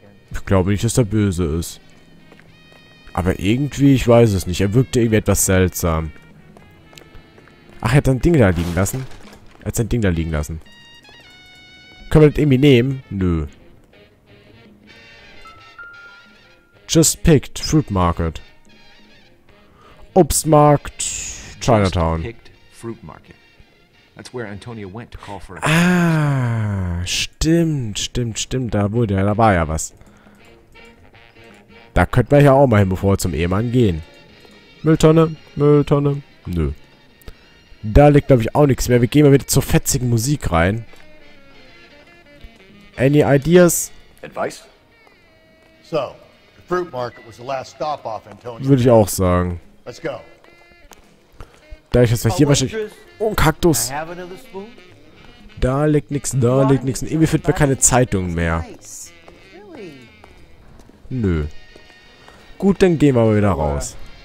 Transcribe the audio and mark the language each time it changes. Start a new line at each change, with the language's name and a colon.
German: Ich glaube nicht, dass der böse ist. Aber irgendwie, ich weiß es nicht. Er wirkte irgendwie etwas seltsam. Ach, er hat sein Ding da liegen lassen. Er hat sein Ding da liegen lassen. Können wir das irgendwie nehmen? Nö.
English: Just picked fruit market.
German: Obstmarkt Chinatown.
English: Fruit market. That's where Antonia went to call for a...
German: Stimmt. Da wurde ja, da war ja was. Da könnten wir ja auch mal hin, bevor wir zum Ehemann gehen. Mülltonne. Nö. Da liegt, glaube ich, auch nichts mehr. Wir gehen mal wieder zur fetzigen Musik rein.
English: Any ideas? Advice? So, the fruit market was the last stop off Antonia.
German: Würde ich auch sagen.
English: Let's go.
German: Da ich das hier wahrscheinlich... Oh, ein Kaktus. Da liegt nichts, da liegt nichts. Irgendwie finden wir keine Zeitungen mehr. Nö. Gut, dann gehen wir mal wieder raus.